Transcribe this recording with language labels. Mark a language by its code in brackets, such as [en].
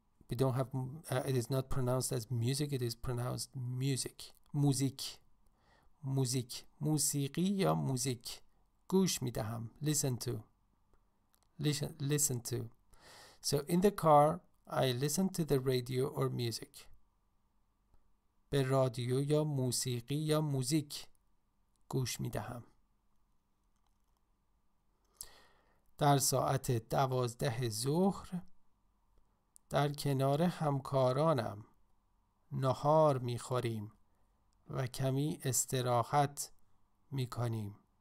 [en] We don't have, it is not pronounced as music, it is pronounced music. [fa] موزیک, موزیک, موسیقی یا موزیک. گوش می دهم, [en] listen to, listen to. So in the car I listen to the radio or music. [fa] به رادیو یا موسیقی یا موزیک گوش می دهم. در ساعت 12 ظهر در کنار همکارانم نهار می خوریم و کمی استراحت می کنیم.